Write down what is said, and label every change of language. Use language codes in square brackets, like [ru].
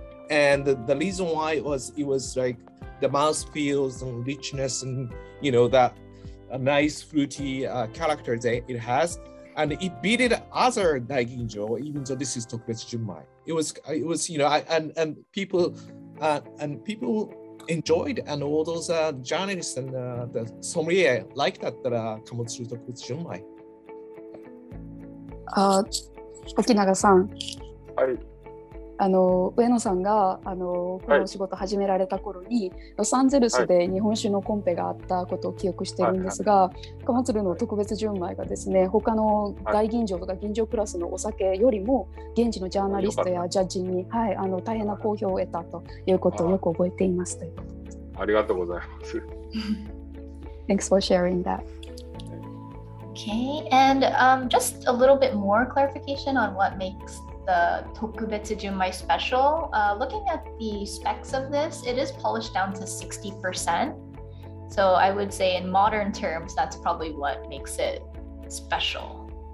[en] and the reason why it was like the mouthfeel and richness and, you know, that nice fruity character that it has, and it beat other Daiginjo, even though this is Tokubetsu Junmai. It was, you know, people enjoyed, and all those journalists and the sommelier liked that Kamotsuru Tokubetsu Junmai. Okinaga-san. Hi. [ja] Ueno さんがこの仕事始められた頃に、ロサンゼルスで日本酒のコンペがあったことを記憶しているんですが、Kamotsuru の特別純米がですね、他の大吟醸とか吟醸クラスのお酒よりも現地のジャーナリストやジャッジに、はい、大変な好評を得たということをよく覚えていますということです。ありがとうございます。 [en] Thanks for sharing that. Okay, and just a little bit more clarification on what makes the tokubetsu junmai special. Looking at the specs of this, it is polished down to 60%. So I would say in modern terms, that's probably what makes it special.